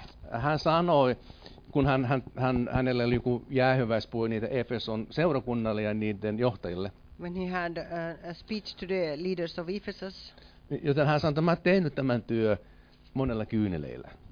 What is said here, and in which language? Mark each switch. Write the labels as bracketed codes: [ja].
[fi] Hän sanoi, kun hänellä oli joku jäähyväispuhe niitä Efeson seurakunnalle ja niiden johtajille. [en] When he had a speech to the leaders of Ephesus. [fi] Joten hän sanoi, että mä oon tehnyt tämän työ monella kyyneleillä.